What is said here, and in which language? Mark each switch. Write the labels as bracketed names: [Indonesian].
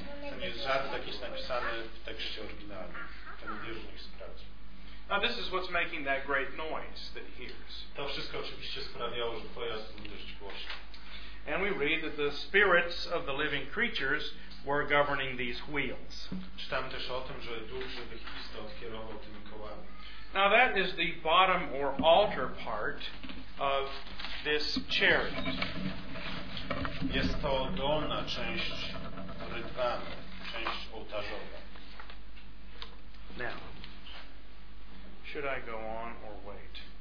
[Polish] Ten jest żart jakiś napisany w tekście oryginalnym. Ten wierzchnik sprawdzi. [English] Now this is what's making that great noise that he hears. [Polish] To wszystko oczywiście sprawiało, że pojazd był dość głośny. [English] And we read that the spirits of the living creatures were governing these wheels. [Polish] Czytamy też o tym, że duch żywych istot kierował tymi kołami. [English] Now that is the bottom or altar part of this chariot. [Polish] Jest to dolna część rydwanu, część ołtarzowa. [English] Now, should I go on or wait?